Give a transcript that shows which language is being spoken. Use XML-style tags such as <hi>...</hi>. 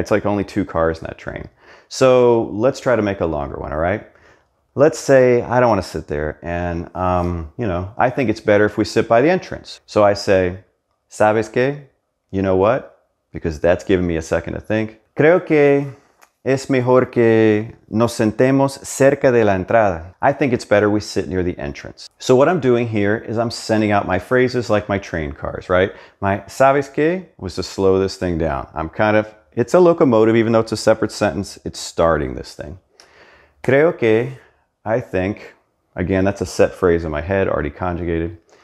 <en>It's like only two cars in that train. So let's try to make a longer one, all right? Let's say I don't want to sit there and, I think it's better if we sit by the entrance. So I say,</en> <es>¿sabes qué?</es> <en>You know what? Because that's giving me a second to think.</en> <es>Creo que es mejor que nos sentemos cerca de la entrada.</es> <en>I think it's better we sit near the entrance. So what I'm doing here is I'm sending out my phrases like my train cars, right? My</en> <es>¿sabes qué?</es> <en>Was to slow this thing down. I'm kind of, it's a locomotive, even though it's a separate sentence, it's starting this thing.</en> <es>Creo que,</es> <en>I think, again, that's a set phrase in my head, already conjugated.</en>